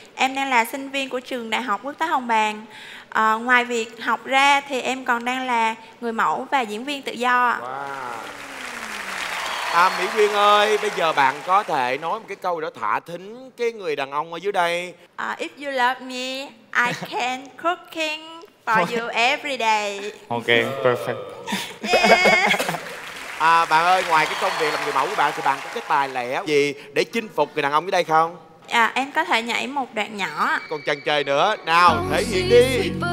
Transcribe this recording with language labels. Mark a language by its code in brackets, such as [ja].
[vi] Em đang là sinh viên của trường Đại học Quốc tế Hồng Bàng. Ngoài việc học ra thì em còn đang là người mẫu và diễn viên tự do. [en] Wow. [vi] À Mỹ Quyên ơi, bây giờ bạn có thể nói một cái câu đó thả thính cái người đàn ông ở dưới đây. [en] If you love me, I can cooking for you every day. Ok, perfect. [vi] À bạn ơi, ngoài cái công việc làm người mẫu của bạn thì bạn có cái tài lẻ gì để chinh phục người đàn ông dưới đây không? À, em có thể nhảy một đoạn nhỏ. Còn chần chừ nữa, nào thể hiện đi.